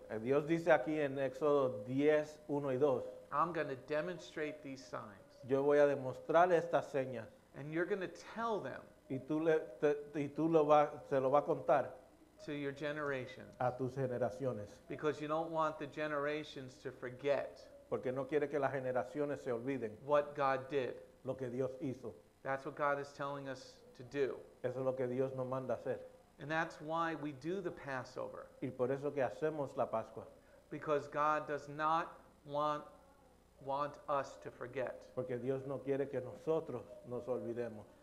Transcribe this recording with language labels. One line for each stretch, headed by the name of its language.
English: And
Spanish: Dios dice aquí en Éxodo 10, 1 y 2.
English: I'm going to demonstrate these signs.
Spanish: Yo voy a demostrar estas señas.
English: And you're going to tell them.
Spanish: Y tú se lo va a contar.
English: To your generations.
Spanish: A tus generaciones.
English: Because you don't want the generations to forget.
Spanish: Porque no quiere que las generaciones se olviden.
English: What God did.
Spanish: Lo que Dios hizo.
English: That's what God is telling us to do.
Spanish: Eso es lo que Dios nos manda hacer.
English: And that's why we do the Passover.
Spanish: Y por eso que hacemos la Pascua.
English: Because God does not want us to forget.
Spanish: Porque Dios no quiere que nosotros nos olvidemos.